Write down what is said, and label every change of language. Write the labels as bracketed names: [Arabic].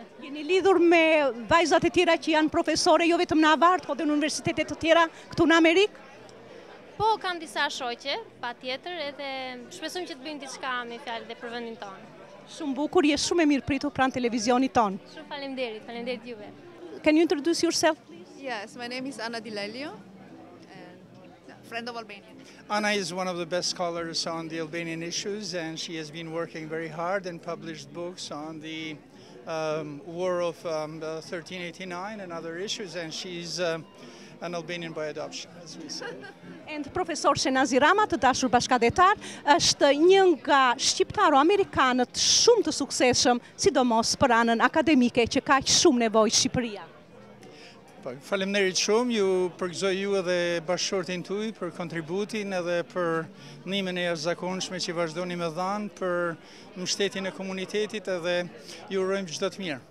[Albanian] Jeni lidhur me vajzat e tjera që janë profesore jo vetëm në Harvard, por edhe në universitete të tjera këtu në Amerikë? Po, kam disa shoqe, patjetër, edhe shpresojmë që të bëjmë diçka me fjalë dhe për vendin tonë. Shumë bukur, je shumë e mirë pritur pranë televizionit ton. Shumë faleminderit, faleminderit juve. [English] Can you introduce yourself, please? Yes, my name is Ana Dilelio, and friend of Albania. Ana is one of the best scholars on the Albanian issues, and she has been working very hard and published books on the war of 1389 and other issues, and she's an Albanian by adoption, as we say. [Albanian] And Profesor Shenazi Rama, të dashur bashkadetar, është një nga shqiptaro amerikanët shumë të suksesshëm, sidomos për anën akademike që ka shumë nevojë Shqipëria. Faleminderit shumë, ju përgëzoj ju edhe bashkëshortin tuaj për kontributin edhe për ndihmën e jashtëzakonshme që vazhdoni me dhënë për mbështetjen e komunitetit edhe ju urojmë çdo të mirë.